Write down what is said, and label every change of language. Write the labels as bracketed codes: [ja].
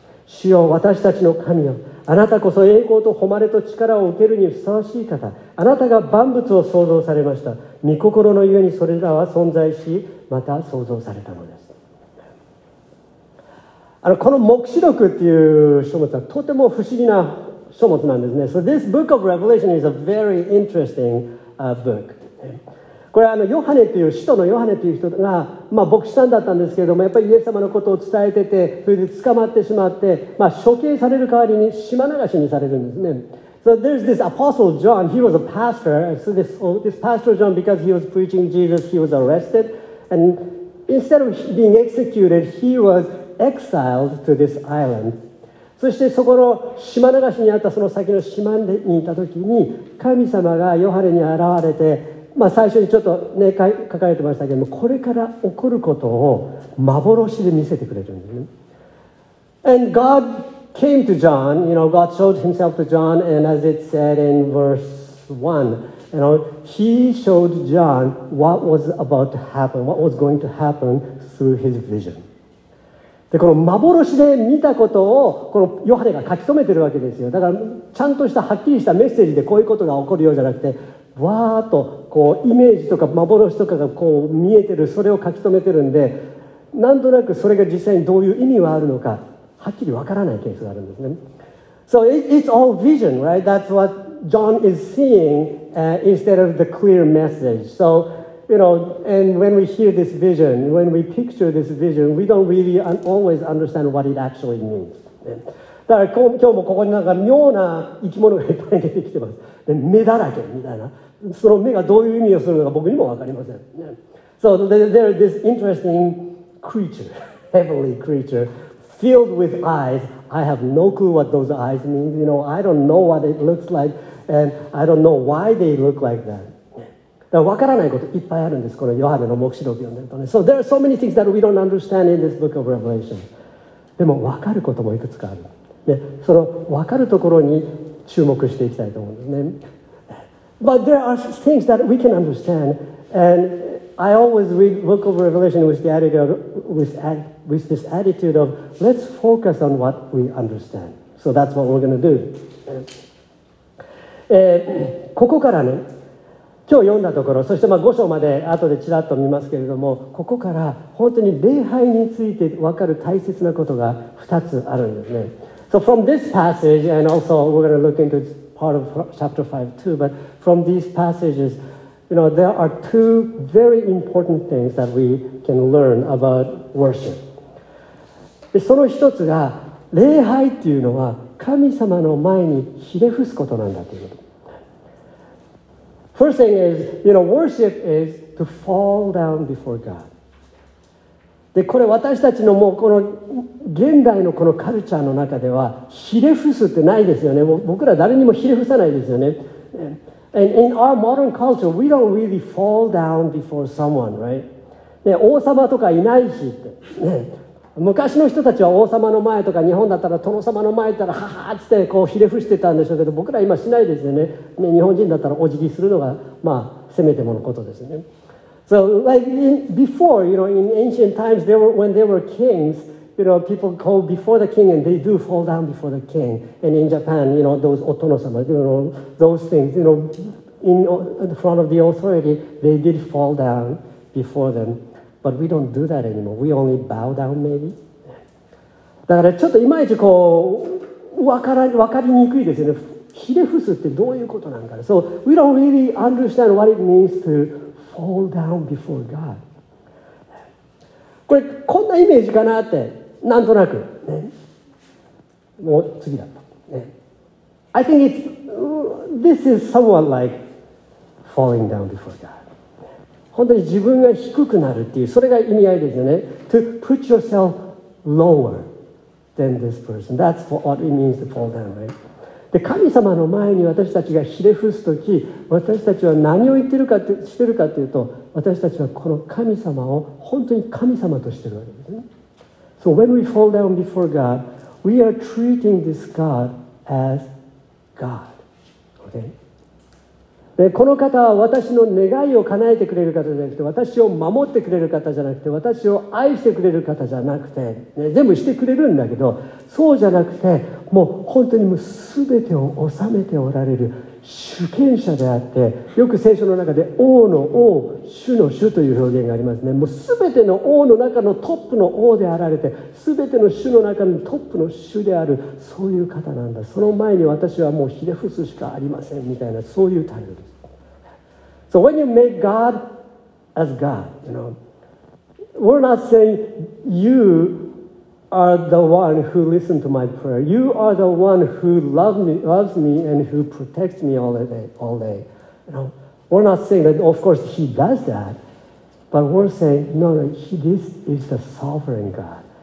[ja] 主よ、私たちの神よ、あなたこそ栄光と誉れと力を受けるにふさわしい方。あなたが万物を創造されました。御心のゆえにそれらは存在し、また創造されたのです。この黙示録っていう書物はとても不思議な書物なんですね。 [en] So this book of Revelation is a very interesting book. [ja] これはヨハネっていう、使徒のヨハネっていう人が、まあ、牧師さんだったんですけれども、やっぱりイエス様のことを伝えてて、それで捕まってしまって、まあ、処刑される代わりに島流しにされるんですね。 [en] So there's this apostle John, he was a pastor. So this pastor John, because he was preaching Jesus, he was arrested. And instead of being executed, he wasexiled to this island. [ja] そしてそこの島流しにあった、その先の島でにいた時に、神様がヨハネに現れて、まあ、最初にちょっと、ね、書かれてましたけども、これから起こることを幻で見せてくれるんですね。 [en] And God came to John, you know, God showed himself to John, and as it said in verse 1, you know, he showed John what was about to happen, what was going to happen through his vision. [ja] でこの幻で見たことをこのヨハネが書き留めてるわけですよ。だからちゃんとしたはっきりしたメッセージでこういうことが起こるようじゃなくて、わーっとこうイメージとか幻とかがこう見えてる、それを書き留めてるんで、なんとなくそれが実際にどういう意味はあるのか、はっきりわからないケースがあるんですね。 [en] So it's all vision, right? That's what John is seeing, instead of the clear message. SoYou know, and when we hear this vision, when we picture this vision, we don't really always understand what it actually means. [ja] だから今日もここになんか妙な生き物がいっぱい出てきてます。で、目だらけみたいな。その目がどういう意味をするのか僕にも分かりません。 [en] So there are this interesting creature, heavenly creature, filled with eyes. I have no clue what those eyes mean. You know, I don't know what it looks like, and I don't know why they look like that. [ja] だから分からないこといっぱいあるんです、このヨハネの黙示録を読んでるとね。 [en] So there are so many things that we don't understand in this book of Revelation. [ja] でも分かることもいくつかある。で、その分かるところに注目していきたいと思うんですね。 [en] But there are things that we can understand. And I always read book of Revelation with this attitude of let's focus on what we understand. So that's what we're going to do. [ja] ここからね、今日読んだところ、そしてまあ5章まで後でちらっと見ますけれども、ここから本当に礼拝について分かる大切なことが2つあるんですね。 [en] So from this passage, and also we're going to look into part of chapter 5 too, but from these passages, you know, there are two very important things that we can learn about worship. [ja] でその一つが、礼拝っていうのは神様の前にひれ伏すことなんだということ。 [en] First thing is, you know, worship is to fall down before God. [ja] で、これ私たちのもうこの現代のこのカルチャーの中では、ひれ伏すってないですよね。僕ら誰にもひれ伏さないですよね。 [en] And in our modern culture, we don't really fall down before someone, right? [ja] で、王様とかいないしって。昔の人たちは王様の前とか、日本だったら殿様の前だったらははーってこうひれ伏してたんでしょうけど、僕ら今しないですよね。ね、日本人だったらお辞儀するのがまあせめてものことですね。 [en] So like in, before, you know, in ancient times, they were, when they were kings, you know, people go before the king and they do fall down before the king. And in Japan, you know, those お殿様, you know, those things, you know, in front of the authority, they did fall down before them. But we don't do that anymore. We only bow down, maybe. [ja] だからちょっといまいちこう分かりにくいですよね。ひれ伏すってどういうことなんかね。 [en] So we don't really understand what it means to fall down before God. [ja] これこんなイメージかなって、なんとなく、ね、もう次だった、ね。 [en] I think this is somewhat like falling down before God. [ja] 本当に自分が低くなるっていう、それが意味合いですよね。 [en] To put yourself lower than this person. That's what it means to fall down, right? [ja] で、神様の前に私たちがひれ伏すとき、私たちは何を言ってるかって、してるかというと、私たちはこの神様を本当に神様としてるわけですね。 [en] So when we fall down before God, we are treating this God as God. Okay? [ja] でこの方は私の願いを叶えてくれる方じゃなくて、私を守ってくれる方じゃなくて、私を愛してくれる方じゃなくて、ね、全部してくれるんだけど、そうじゃなくて、もう本当にもう全てを治めておられる主権者であって、よく聖書の中で王の王、主の主という表現がありますね。もう全ての王の中のトップの王であられて、全ての主の中のトップの主である、そういう方なんだ。その前に私はもうひれ伏すしかありませんみたいな、そういう態度です。 [en] So when you make God as God, you know, we're not saying you are the one who listen to my prayer. You are the one who loves me and who protects me all day. You know, we're not saying that, of course, he does that. But we're saying, this is the sovereign God.